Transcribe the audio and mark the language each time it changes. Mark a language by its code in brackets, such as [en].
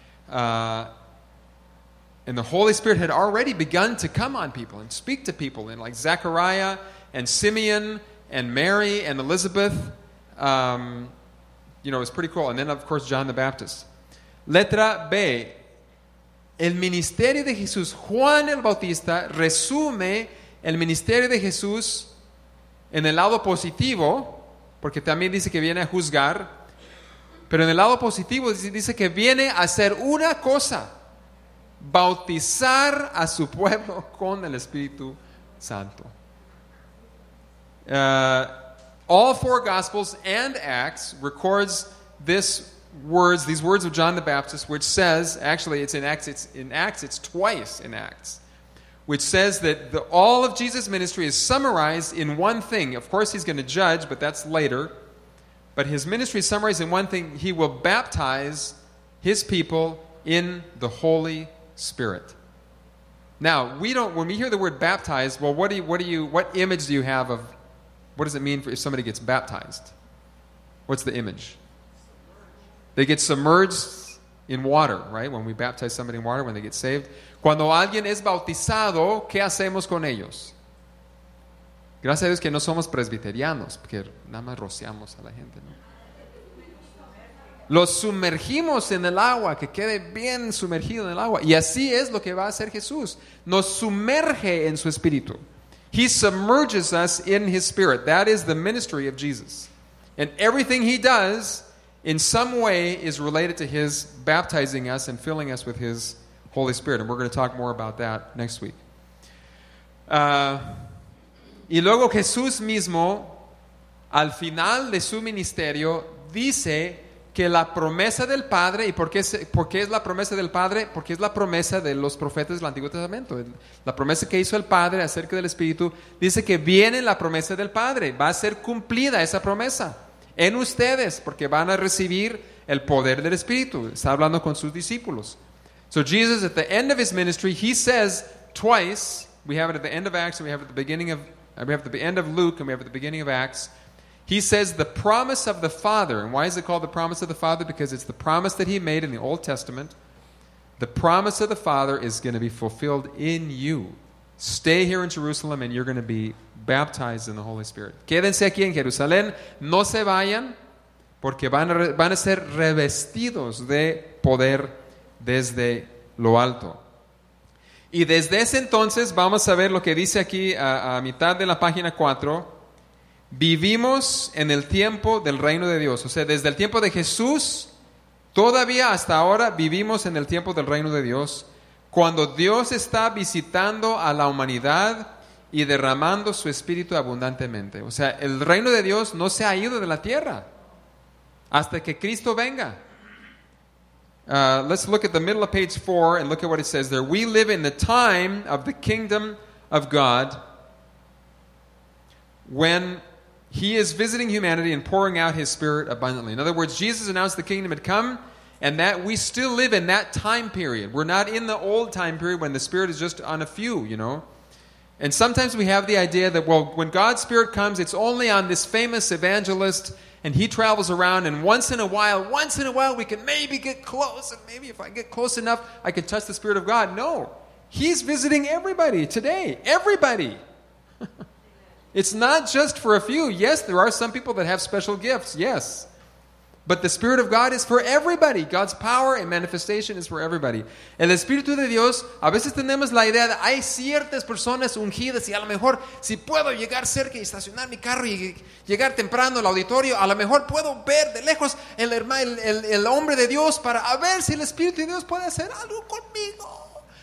[en] And the Holy Spirit had already begun to come on people and speak to people. And like Zechariah and Simeon and Mary and Elizabeth, you know, it was pretty cool. And then, of course, John the Baptist. [es] Letra B. El ministerio de Jesús, Juan el Bautista, resume el ministerio de Jesús en el lado positivo, porque también dice que viene a juzgar, pero en el lado positivo dice que viene a hacer una cosa, bautizar a su pueblo con el Espíritu Santo. [en] All four Gospels and Acts records this words, these words of John the Baptist, which says, actually it's twice in Acts, which says that all of Jesus' ministry is summarized in one thing. Of course, he's going to judge, but that's later. But his ministry is summarized in one thing. He will baptize his people in the Holy Spirit. Now, when we hear the word baptized, well, what image do you have of, what does it mean if somebody gets baptized? What's the image? They get submerged in water, right? When we baptize somebody in water, when they get saved. [es] Cuando alguien es bautizado, ¿qué hacemos con ellos? Gracias a Dios que no somos presbiterianos, porque nada más rociamos a la gente, ¿no? Los sumergimos en el agua, que quede bien sumergido en el agua. Y así es lo que va a hacer Jesús. Nos sumerge en su espíritu. [en] He submerges us in his spirit. That is the ministry of Jesus. And everything he does in some way is related to his baptizing us and filling us with his Holy Spirit. And we're going to talk more about that next week. [es] Y luego Jesús mismo, al final de su ministerio, dice que la promesa del Padre, ¿y por qué es la promesa del Padre? Porque es la promesa de los profetas del Antiguo Testamento. La promesa que hizo el Padre acerca del Espíritu, dice que viene la promesa del Padre. Va a ser cumplida esa promesa en ustedes, porque van a recibir el poder del Espíritu. Está hablando con sus discípulos. [en] So Jesus, at the end of his ministry, he says twice, we have it at the end of Acts, and we have it at the beginning of Acts, he says the promise of the Father. And why is it called the promise of the Father? Because it's the promise that he made in the Old Testament. The promise of the Father is going to be fulfilled in you. Stay here in Jerusalem and you're going to be baptized in the Holy Spirit. [es] Quédense aquí en Jerusalén. No se vayan porque van a ser revestidos de poder desde lo alto. Y desde ese entonces vamos a ver lo que dice aquí a mitad de la página 4. Vivimos en el tiempo del reino de Dios. O sea, desde el tiempo de Jesús, todavía hasta ahora vivimos en el tiempo del reino de Dios. Cuando Dios está visitando a la humanidad y derramando su espíritu abundantemente. O sea, el reino de Dios no se ha ido de la tierra hasta que Cristo venga. [en] Let's look at the middle of page 4 and look at what it says there. We live in the time of the kingdom of God when he is visiting humanity and pouring out his spirit abundantly. In other words, Jesus announced the kingdom had come and that we still live in that time period. We're not in the old time period when the spirit is just on a few, you know. And sometimes we have the idea that, well, when God's Spirit comes, it's only on this famous evangelist, and he travels around, and once in a while, we can maybe get close, and maybe if I get close enough, I can touch the Spirit of God. No, he's visiting everybody today, everybody. It's not just for a few. Yes, there are some people that have special gifts, yes. But the Spirit of God is for everybody. God's power and manifestation is for everybody. [es] El Espíritu de Dios, a veces tenemos la idea de hay ciertas personas ungidas y a lo mejor si puedo llegar cerca y estacionar mi carro y llegar temprano al auditorio, a lo mejor puedo ver de lejos el hombre de Dios para a ver si el Espíritu de Dios puede hacer algo conmigo.